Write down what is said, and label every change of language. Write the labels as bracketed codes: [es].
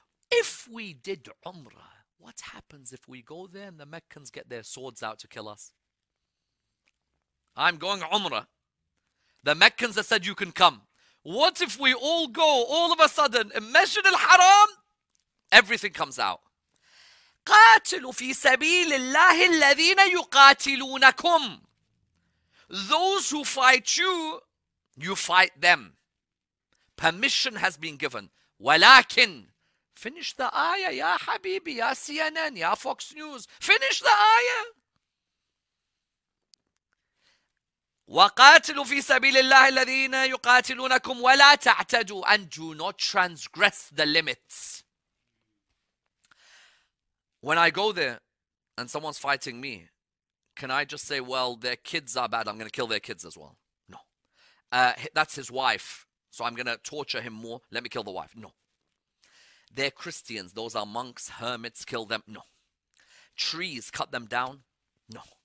[en] If we did Umrah, what happens if we go there and the Meccans get their swords out to kill us? I'm going Umrah. The Meccans have said you can come. What if we all go all of a sudden in Masjid al-Haram, everything comes out. [ar] قاتلوا في سبيل الله الذين يقاتلونكم. [en] Those who fight you, you fight them. Permission has been given. ولكن, finish the ayah, [ar] يا حبيبي, [en] يا CNN, يا Fox News. Finish the ayah. [ar] وقاتلوا في سبيل الله الذين يقاتلونكم ولا تعتدوا, [en] and do not transgress the limits. When I go there and someone's fighting me, can I just say, well, their kids are bad, I'm going to kill their kids as well? No. That's his wife, so I'm going to torture him more, let me kill the wife. No. They're Christians, those are monks, hermits, kill them. No. Trees, cut them down. No.